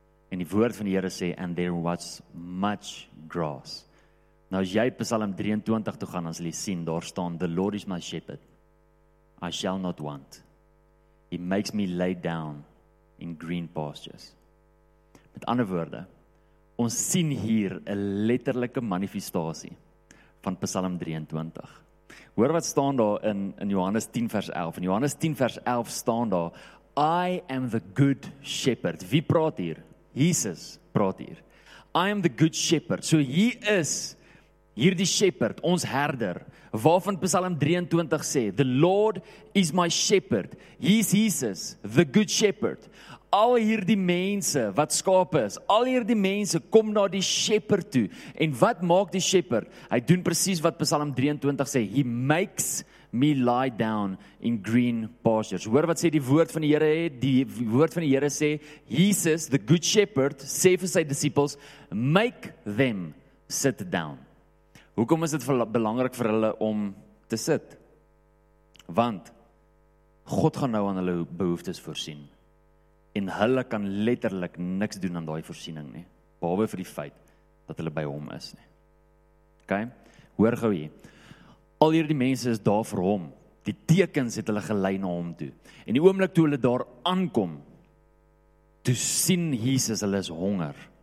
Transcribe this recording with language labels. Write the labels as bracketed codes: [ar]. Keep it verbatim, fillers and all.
[af] En die woord van die Here sê, [en] and there was much grass. [af] Nou as jy Psalm drieëntwintig toe gaan, as jy sien, daar staan, [en] The Lord is my shepherd, I shall not want. He makes me lay down in green pastures. [af] Met ander woorde, ons sien hier 'n letterlike manifestasie van Psalm drieëntwintig. Hoor wat staan daar in, in Johannes tien vers elf. In Johannes tien vers elf staan daar, [en] I am the good shepherd. [af] Wie praat hier? Jesus praat hier. [en] I am the good shepherd. [af] So hier is hierdie shepherd, ons herder, waarvan Psalm twee drie sê, [en] the Lord is my shepherd, he is Jesus, the good shepherd. [af] Al hierdie mense wat skape is, al hierdie mense kom na die shepherd toe. En wat maak die shepherd? Hy doen presies wat Psalm twee drie sê, [en] he makes me lie down in green pastures. [af] Hoor wat sê die woord van die Here het, die woord van die Here sê, [en] Jesus, the good shepherd, sê vir sy disippels, make them sit down. [af] Hoekom is dit belangrik vir hulle om te sit? Want God gaan nou aan hulle behoeftes voorsien. En hulle kan letterlik niks doen aan daai voorsiening nie, behalwe vir die feit dat hulle by hom is nie. Okay? Hoor gou hier. Al hierdie mense is daar vir hom. Die tekens het hulle gelei na hom toe. En die oomblik toe hulle daar aankom, toe sien Jesus hulle is honger.